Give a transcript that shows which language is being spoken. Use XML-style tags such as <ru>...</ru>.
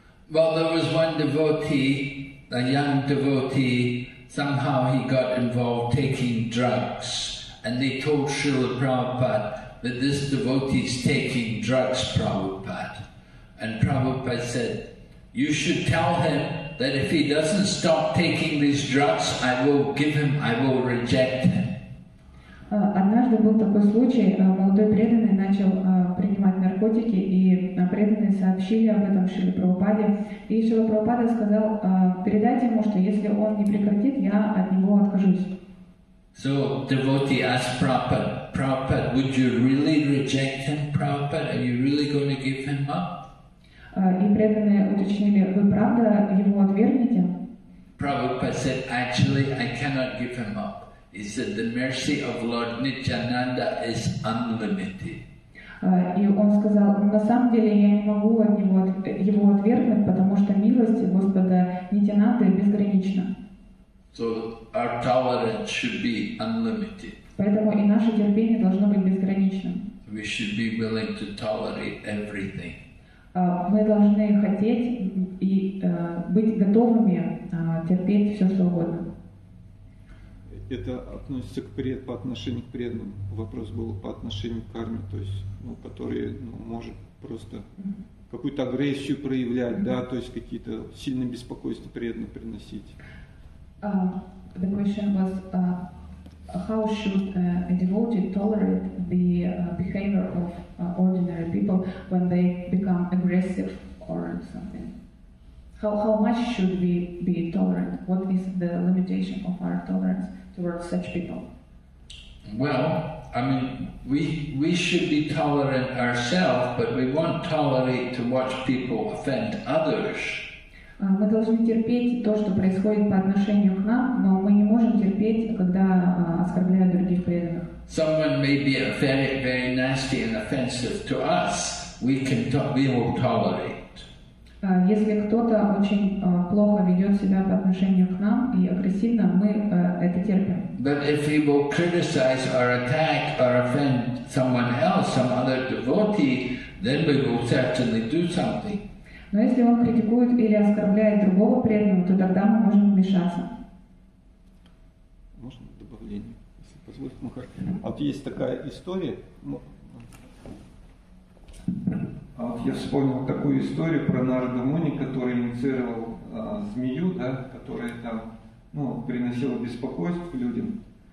<en>Well, there was one devotee, a young devotee, somehow he got involved taking drugs, and they told Srila Prabhupada that this devotee is taking drugs, Prabhupada. And Prabhupada said, you should tell him that if he doesn't stop taking these drugs, I will reject him.</en> <ru>Однажды был такой случай, молодой преданный начал принимать наркотики, и преданные сообщили об этом Шриле Прабхупаде. И Шрила Прабхупада сказал, передайте ему, что если он не прекратит, я от него откажусь.</ru> <en>So devotee asked Prabhupada, would you really reject him, Prabhupada? Are you really going to give him up?</en> <ru>И преданные уточнили, вы правда его отвергнете?</ru> <en>Prabhupada said, actually, I cannot give him up. He said, the mercy of Lord Nityananda is unlimited.</en> <ru>И он сказал, на самом деле я не могу его отвергнуть, потому что милость Господа Нитянанды безгранична.</ru> <en>So our tolerance should be unlimited.</en> <ru>Поэтому и наше терпение должно быть безграничным.</ru> <en>We should be willing to tolerate everything.</en> <ru>Мы должны хотеть и быть готовыми терпеть все, что угодно. это относится к пред, по отношению к преданным. Вопрос был по отношению к карме, то есть, ну, который, ну, может просто какую-то агрессию проявлять, да, то есть какие-то сильные беспокойства преданным приносить.</ru> <en>The question was, how should a devotee tolerate the behavior of ordinary people when they become aggressive or something? How much should we be tolerant? What is the limitation of our tolerance towards such people? Well, I mean, we should be tolerant ourselves, but we won't tolerate to watch people offend others.</en> <ru>Мы должны терпеть то, что происходит по отношению к нам, но мы не можем терпеть, когда оскорбляют других преданных.</ru> <en>Someone may be very, very nasty and offensive to us. We can we will tolerate.</en> <ru>Если кто-то очень плохо ведет себя по отношению к нам и агрессивно, мы это терпим.</ru> <en>But if he will criticize or attack or offend someone else, some other devotee, then we will certainly do something.</en> <ru>Но если он критикует или оскорбляет другого преданного, то тогда мы можем вмешаться. Можно добавление, если позволит Махар. Вот есть такая история. А вот я вспомнил такую историю про Нарада Муни, который инициировал змею, да, которая там, ну, приносила беспокойство людям.</ru>